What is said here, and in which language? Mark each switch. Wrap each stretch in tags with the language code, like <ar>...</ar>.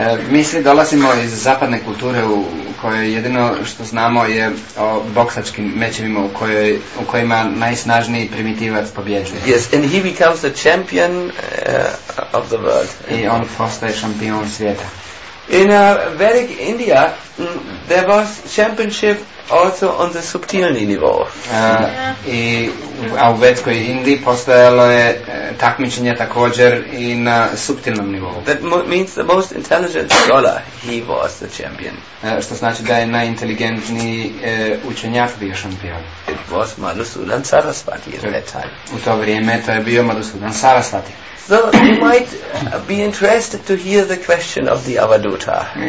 <hr>Mi svi dolazimo iz zapadne kulture u kojoj jedino što znamo je o boksačkim mečevima u kojima najsnažniji primitivac pobjeđuje.</hr> <en>Yes, and he becomes the champion of the world.</en> <hr>I on postaje šampion svijeta.</hr> <en>In Vedic India there was championship also on the</en> <hr>subtilni nivou. I u Vedskoj Indiji postojalo je takmičenje također i na subtilnom nivou.</hr> <en>That means the most intelligent scholar, he was the champion.</en> <hr>Što znači da je najinteligentniji učenjak bio šampion.</hr> <en>It was Madhusudan Sarasvati at that time.</en> <hr>U to vrijeme to je bio Madhusudan Sarasvati.</hr> <en>So you might be interested to hear the question of the Avaduta.</en>